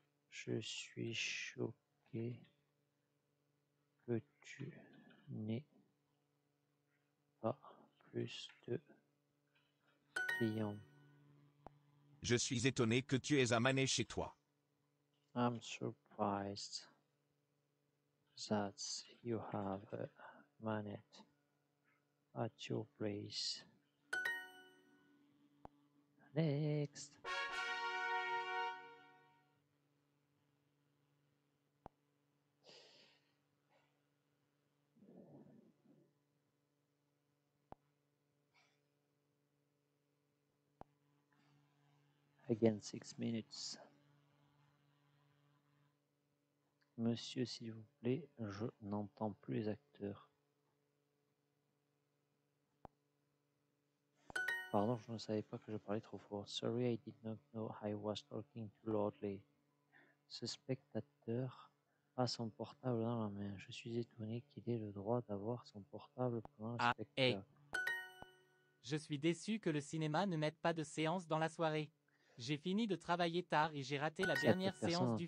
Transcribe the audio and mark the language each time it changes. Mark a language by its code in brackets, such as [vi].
[fr] Je suis choqué que tu n'aies pas plus de clients. Je suis étonné que tu aies un manège chez toi. [en] I'm surprised that you have a manette at your place. Next. Again, 6 minutes. [fr] Monsieur, s'il vous plaît, je n'entends plus les acteurs. Pardon, je ne savais pas que je parlais trop fort. [en] Sorry, I did not know I was talking too loudly. [fr] Ce spectateur a son portable dans la main. Je suis étonné qu'il ait le droit d'avoir son portable pendant le spectacle. Hey. Je suis déçu que le cinéma ne mette pas de séance dans la soirée. J'ai fini de travailler tard et j'ai raté la dernière séance du...